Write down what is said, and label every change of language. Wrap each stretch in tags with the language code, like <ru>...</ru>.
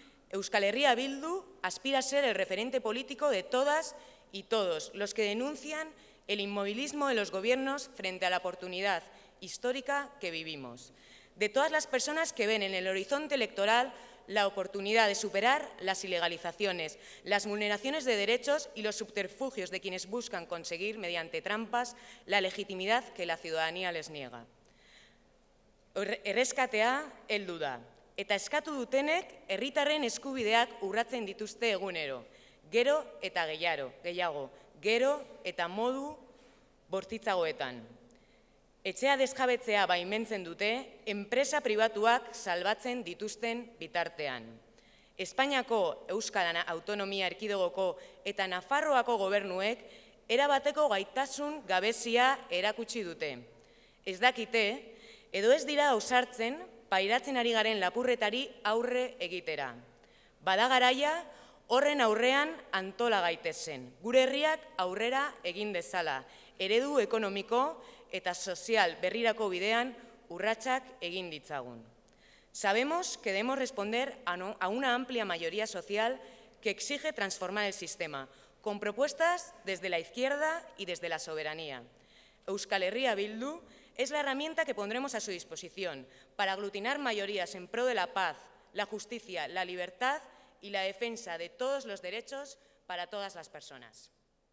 <es>Euskal Herria Bildu aspira a ser el referente político de todas y todos los que denuncian el inmovilismo de los gobiernos frente a la oportunidad histórica que vivimos, de todas las personas que ven en el horizonte electoral la oportunidad de superar las ilegalizaciones, las vulneraciones de derechos y los subterfugios de quienes buscan conseguir, mediante trampas, la legitimidad que la ciudadanía les niega.</es> <eu>Erreskatea heldu da. Eta eskatu dutenek, herritarren eskubideak urratzen dituzte egunero. Gero eta gehiago, gero eta modu bortitzagoetan. Etxea desjabetzea baimentzen dute, enpresa pribatuak salbatzen dituzten bitartean. Espainiako Euskal Autonomia Erkidegoko eta Nafarroako gobernuek erabateko gaitasun gabezia erakutsi dute. Ez dakite, edo ez dira ausartzen, pairatzen ari garen lapurretari aurre egitera. Bada garaia, horren aurrean antola gaitezen, gure herriak aurrera egin dezala, eredu ekonomiko eta sozial berrirako bidean urratsak egin ditzagun.</eu> <es>Sabemos que debemos responder a una amplia mayoría social que exige transformar el sistema, con propuestas desde la izquierda y desde la soberanía. Euskal Herria Bildu es la herramienta que pondremos a su disposición para aglutinar mayorías en pro de la paz, la justicia, la libertad y la defensa de todos los derechos para todas las personas.</es>